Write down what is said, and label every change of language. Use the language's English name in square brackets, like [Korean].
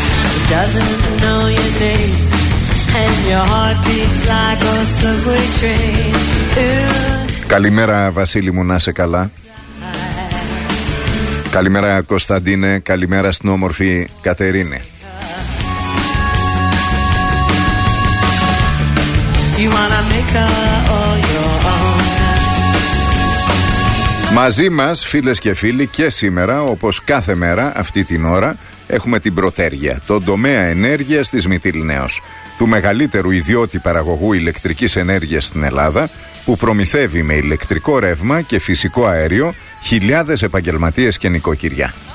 [English] She doesn't know your name, and your heart beats like a subway train. [Greek] Καλημέρα Βασίλη μου, να είσαι καλά. Καλημέρα Κωνσταντίνε, καλημέρα στην όμορφη Κατερίνη. [English] You wanna make her all your own. [Greek] Μαζί μας, φίλες και φίλοι, και σήμερα, όπως κάθε μέρα, αυτή την ώρα, έχουμε την Πρωτέργεια, τον τομέα ενέργειας της Μυτιληναίος, του μεγαλύτερου ιδιώτη παραγωγού ηλεκτρικής ενέργειας στην Ελλάδα, που προμηθεύει με ηλεκτρικό ρεύμα και φυσικό αέριο χιλιάδες επαγγελματίες και νοικοκυριά.